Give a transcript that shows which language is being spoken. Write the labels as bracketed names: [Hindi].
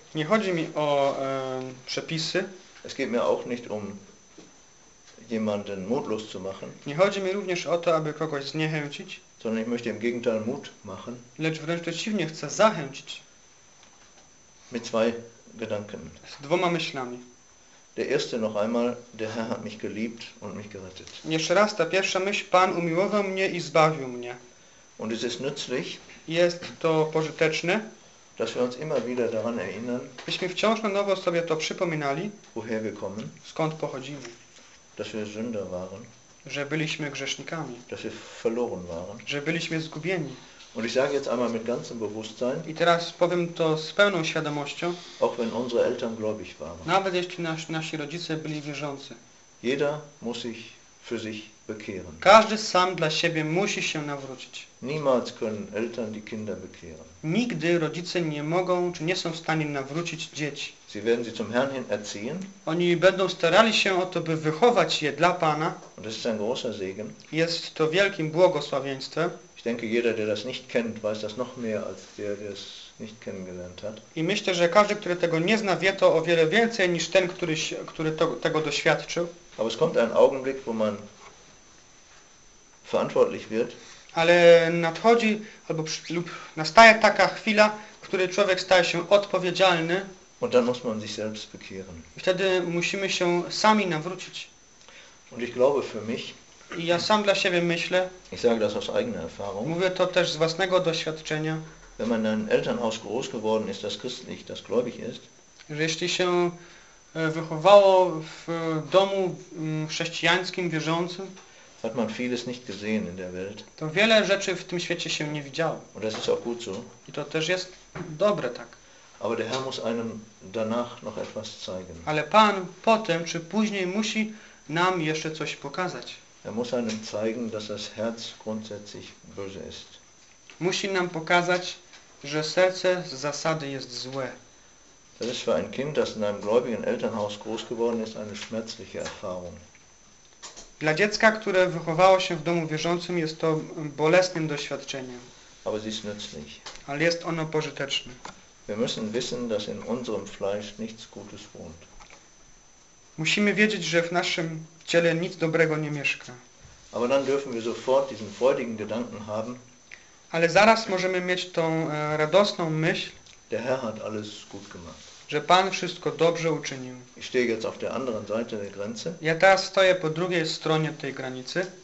[Polish] Nie chodzi mi o przepisy. [German] Es geht mir auch nicht um jemanden mutlos zu machen. [Polish] Nie chodzi mi również o to, aby kogoś zniechęcić. [German] Sondern ich möchte im Gegenteil Mut machen. [Polish] Lecz wręcz przeciwnie, chcę zachęcić. [German] Mit zwei Gedanken. [Polish] Z dwoma myślami. [German] Der erste noch einmal, der Herr hat mich geliebt und mich gerettet. [Polish] Jeszcze raz ta pierwsza myśl, Pan umiłował mnie i zbawił mnie. [German] Und es ist nützlich. [Polish] Jest to pożyteczne. [German] Dass wir uns immer wieder daran erinnern. [Polish] Byśmy wciąż na nowo sobie to przypominali. [German] Woher wir kommen. [Polish] Skąd pochodzimy. [German] Dass wir Sünder waren. [Polish] Że byliśmy grzesznikami. [German] Dass wir verloren waren. [Polish] Że byliśmy zgubieni. [German] Und ich sage jetzt einmal mit ganzem Bewusstsein. [Polish] I teraz powiem to z pełną świadomością. [German] Auch wenn unsere Eltern gläubig waren. [Polish] Nawet jeśli nasi rodzice byli wierzący. [German] Jeder muss sich für sich bekehren. [Polish] Każdy sam dla siebie musi się nawrócić. [German] Niemals können Eltern die Kinder bekehren. [Polish] Nigdy rodzice nie mogą, czy nie są w stanie nawrócić dzieci. [German] Sie werden sie zum Herrn hin erziehen. [Polish] Oni będą starali się o to, by wychować je dla Pana. [German] Und das ist ein großer Segen. [Polish] Jest to wielkim błogosławieństwem. [German] Ich denke, jeder, der das nicht kennt, weiß das noch mehr als der, der es nicht kennengelernt hat. [Polish] I myślę, że każdy, który tego nie zna, wie to o wiele więcej niż ten, który tego doświadczył. [German] Aber es kommt ein Augenblick, wo man verantwortlich wird. [Polish] Ale nadchodzi, lub nastaje taka chwila, w której człowiek staje się odpowiedzialny. [German] Und dann muss man sich selbst bekehren. [Polish] I wtedy musimy się sami nawrócić. [German] Und ich glaube für mich, [Polish] i ja sam dla siebie myślę, [German] ich sage das aus eigener Erfahrung, [Polish] mówię to też z własnego doświadczenia, [German] wenn man in einem Elternhaus groß geworden ist, das christlich, das gläubig ist, [Polish] że jeśli się wychowało w domu chrześcijańskim, wierzącym, [German] hat man vieles nicht gesehen in der Welt. [Polish] To wiele rzeczy w tym świecie się nie widziało. [German] Und das ist auch gut so. [Polish] I to też jest dobre tak. [German] Aber der Herr muss einem danach noch etwas zeigen. [Polish] Ale Pan potem czy później musi nam jeszcze coś pokazać. [German] Er muss einem zeigen, dass das Herz grundsätzlich böse ist. [Polish] Musi nam pokazać, że serce z zasady jest złe. [German] Das ist für ein Kind, das in einem gläubigen Elternhaus groß geworden ist, eine schmerzliche Erfahrung. [Polish] Dla dziecka, które wychowało się w domu wierzącym, jest to bolesnym doświadczeniem. [German] Aber es ist nützlich. [Polish] Ale jest ono pożyteczne. [German] Wir müssen wissen, dass in unserem Fleisch nichts Gutes wohnt. [Polish] Musimy wiedzieć, że w naszym ciele nic dobrego nie mieszka. [German] Aber dann dürfen wir sofort diesen freudigen Gedanken haben. [Polish] Ale zaraz możemy mieć tą radosną myśl. [German] Der Herr hat alles gut gemacht. [Polish] Że Pan wszystko dobrze uczynił. [German] Ich stehe jetzt auf der anderen Seite der Grenze. [Polish] Ja teraz stoję po drugiej stronie tej granicy.